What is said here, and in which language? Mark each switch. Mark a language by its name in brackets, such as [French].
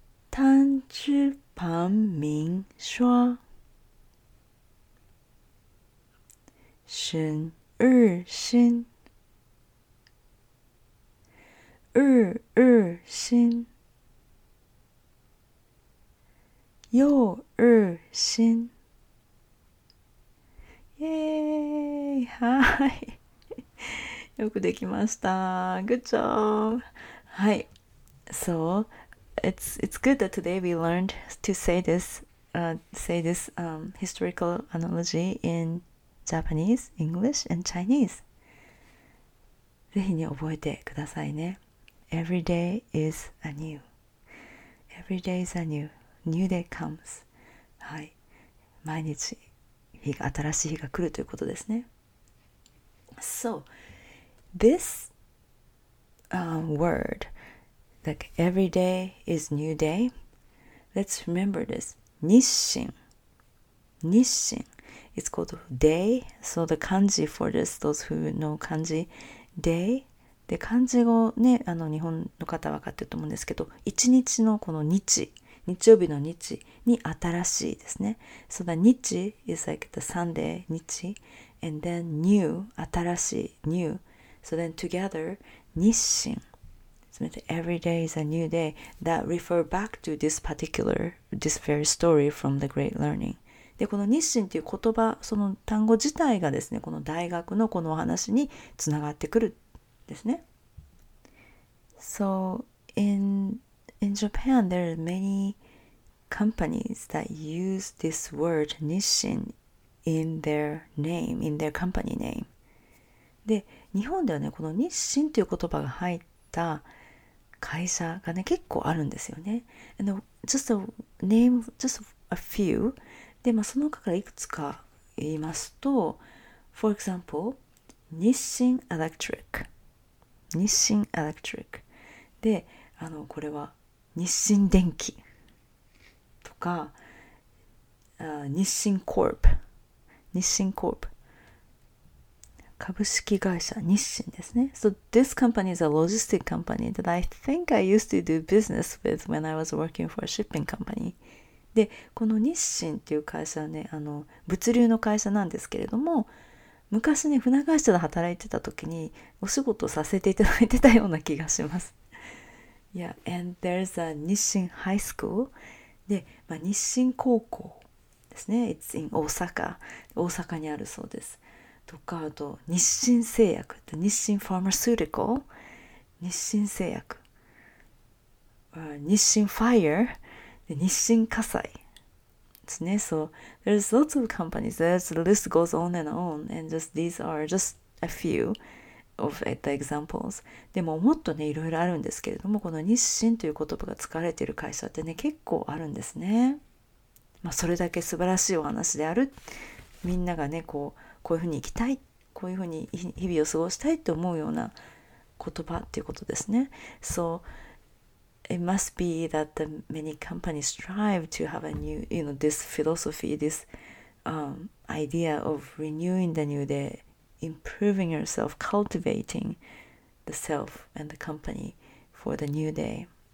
[Chinese] 探知盘明说寻日新日日新又日新。 [Japanese] イエーイ、はい、よくできました。 [English] Good job。はい、 So It's good that today we learned to say this historical analogy in Japanese, English, and Chinese. [Japanese] ぜひに覚えてくださいね。 [English] Every day is anew. Every day is anew. New day comes. はい。 [Japanese] 毎日日が、新しい日が来るということですね。 [English] So, this word... Like every day is new day. Let's remember this. 日新日新 It's called day. So the kanji for this, those who know kanji, day. [Japanese] で、漢字をね、あの日本の方は分かってると思うんですけど、一日のこの日、日曜日の日に新しいですね。 [English] So the 日 is like the Sunday, 日 And then new, 新しい new. So then together, 日新Every day is a new day that refer back to this particular, this very story from the great learning. [Japanese] で、この日新という言葉、その単語自体がですね、この大学のこのお話につながってくるんですね。 [English] So in Japan, there are many companies that use this word 日新 in their name, in their company name. [Japanese] で、日本ではね、この日新という言葉が入った会社がね結構あるんですよね。 [English] And the, just a name, just a few. [Japanese] で、まあ、その中からいくつか言いますと、 [English] For example, [Japanese] 日清 Electric. 日清 Electric. で、あのこれは日清電機とか、日清 Corp. 日清 Corp. 株式会社日清ですね。 [English] So this company is a logistic company that I think I used to do business with when I was working for a shipping company. [Japanese] で、この日清っていう会社はね、あの物流の会社なんですけれども、昔ね船会社で働いてた時にお仕事をさせていただいてたような気がします。 [English] Yeah, and there's a 日清 high school. [Japanese] で、まあ、日清高校ですね。 [English] It's in [Japanese] 大阪、大阪にあるそうです。とか、あと日清製薬、日清ファーマスーティカル、日清製薬、日清ファイヤー、で日清火災ですね。 [English] So there's lots of companies. There's the list goes on and on, and just these are just a few of the examples. [Japanese] でももっとねいろいろあるんですけれども、この日清という言葉が使われている会社ってね結構あるんですね。まあそれだけ素晴らしいお話である、みんながねこうこういうふうに生きたい、こういうふうに日々を過ごしたいって思うような言葉っていうことですね。 So [English] it must be that the many companies strive to have a new, you know, this philosophy, this idea of renewing the new day, improving yourself, cultivating the self and the company for the new day.